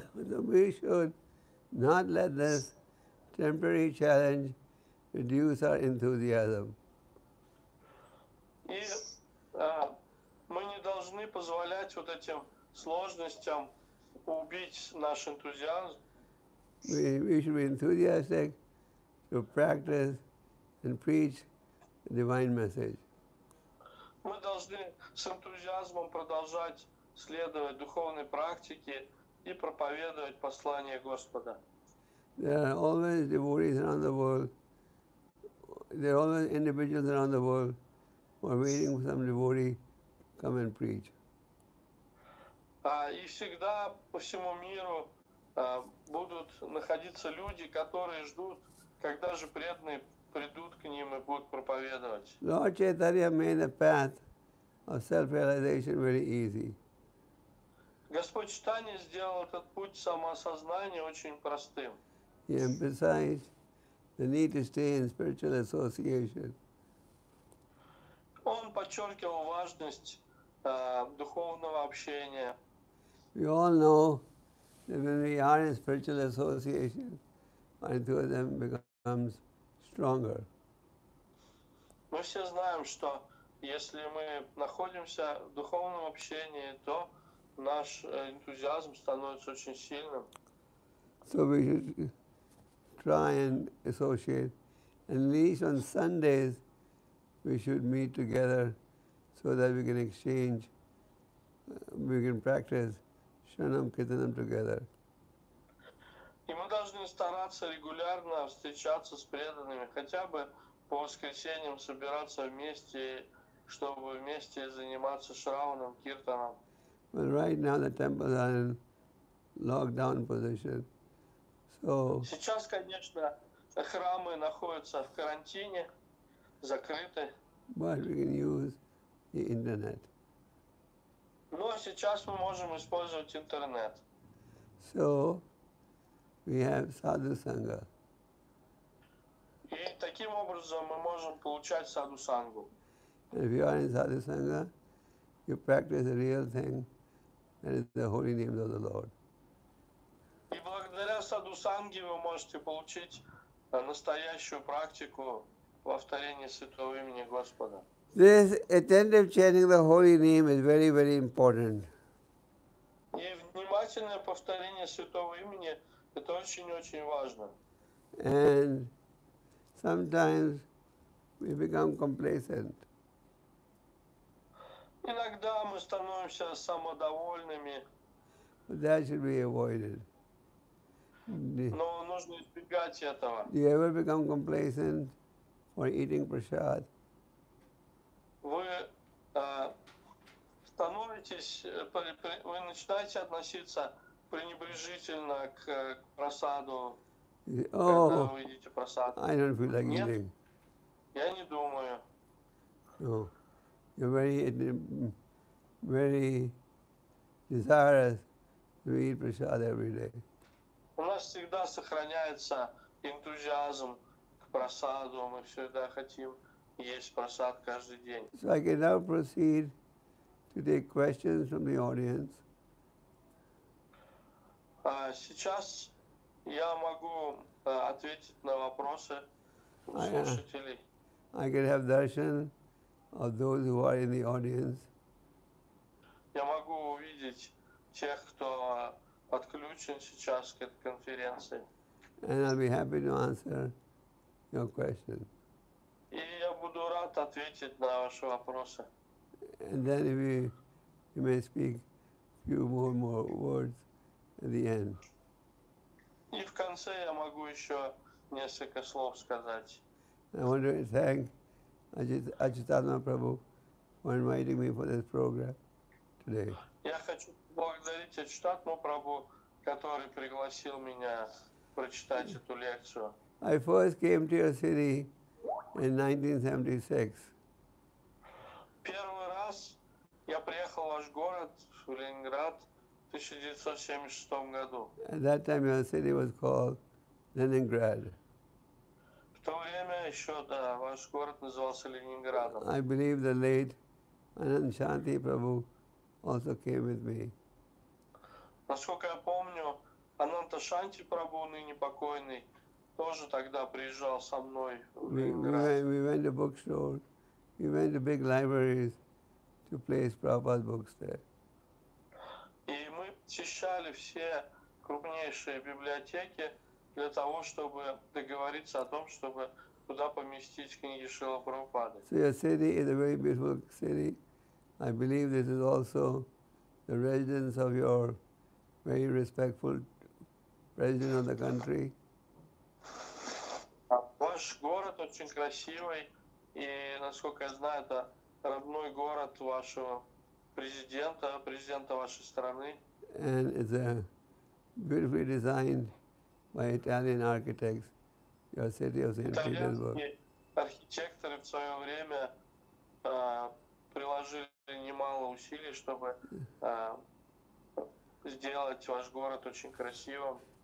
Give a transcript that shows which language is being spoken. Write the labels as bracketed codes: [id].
[en] So we should not let this temporary challenge reduce our enthusiasm. [ru] И мы не должны позволять вот этим сложностям убить наш энтузиазм. [en] We should be enthusiastic to practice and preach the divine message. [ru] Мы должны с энтузиазмом продолжать следовать духовной практике и проповедовать послание Господа. [en] There are always devotees around the world. There are always individuals around the world who are waiting for some devotee to come and preach. [ru] И всегда по всему миру будут находиться люди, которые ждут, когда же преданные придут к ним и будут проповедовать. [en] Lord Chaitanya made the path of self-realization very easy. [ru] Господь Чайтанья сделал этот путь самоосознания очень простым. [en] He emphasized the need to stay in spiritual association. [ru] Он подчеркивал важность духовного общения. [en] We all know that when we are in spiritual association, our enthusiasm becomes stronger. [ru] Мы все знаем, что если мы находимся в духовном общении, то наш энтузиазм становится очень сильным. [en] So we should try and associate, at least on Sundays, we should meet together so that we can exchange, we can practice Sharanam Kirtanam together. [ru] И мы должны стараться регулярно встречаться с преданными, хотя бы по воскресеньям собираться вместе, чтобы вместе заниматься Шраванам Киртанам. [en] But right now the temples are in lockdown position. So [ru] сейчас, конечно, храмы находятся в карантине, закрыты. [en] But we can use the internet. [ru] Но сейчас мы можем использовать интернет. [en] So we have sadhu sangha. [ru] И таким образом мы можем получать sadhu sangha. [en] If you are in sadhu sangha, you practice the real thing. That is the holy names of the Lord. [ru] И благодаря саду санги вы можете получить настоящую практику во вторении святого имени Господа. [en] This attentive chanting the holy name is very, very important. [ru] И внимательное повторение святого имени это очень, очень важно. [en] And sometimes we become complacent. [ru] Иногда мы становимся самодовольными. [en] That should be avoided. [ru] Но нужно избегать этого. [en] Do you ever become complacent for eating prasad? [ru] Вы начинаете относиться пренебрежительно к просаду, когда вы едите просад. [en] I don't feel like eating. [ru] Я не думаю. [en] No. You're very, very desirous to eat prasad every day. [ru] У нас всегда сохраняется энтузиазм к просаду. Мы всегда хотим есть просад каждый день. [en] So I can now proceed to take questions from the audience. [ru] Сейчас я могу ответить на вопросы слушателей. [en] I can have darshan of those who are in the audience. [ru] Я могу увидеть тех, кто подключен сейчас к этой конференции. [en] And I'll be happy to answer your question. [ru] И я буду рад ответить на ваши вопросы. [en] And then you may speak a few more words at the end. [ru] И в конце я могу еще несколько слов сказать. [en] I want to thank Ajitana Prabhu for inviting me for this program today. [ru] Я хочу поблагодарить Ачитатму Прабху, который пригласил меня прочитать эту лекцию. [en] I first came to your city in 1976. [ru] Первый раз я приехал в ваш город, в Ленинград, в 1976 году. [en] At that time your city was called Leningrad. [ru] В то время еще, да, ваш город назывался Ленинградом. [en] I believe the late Anand Shanti Prabhu also came with me. [ru] Насколько я помню, Ананта Шанти Прабху, ныне покойный, тоже тогда приезжал со мной в Ленинград. [en] We went to bookstore, we went to big libraries to place Prabhupada's books there. [ru] И мы посещали все крупнейшие библиотеки, для того, чтобы договориться о том, чтобы туда поместить книги Шрилы Прабхупады. [en] So your city is a very beautiful city. I believe this is also the residence of your very respectful president of the country. [ru] Ваш город очень красивый, и, насколько я знаю, это родной город вашего президента, президента вашей страны. [en] And it's a beautifully designed by Italian architects, your city of St. Petersburg. [ru] Архитекторы в свое время приложили немало усилий, чтобы сделать ваш город очень красивым.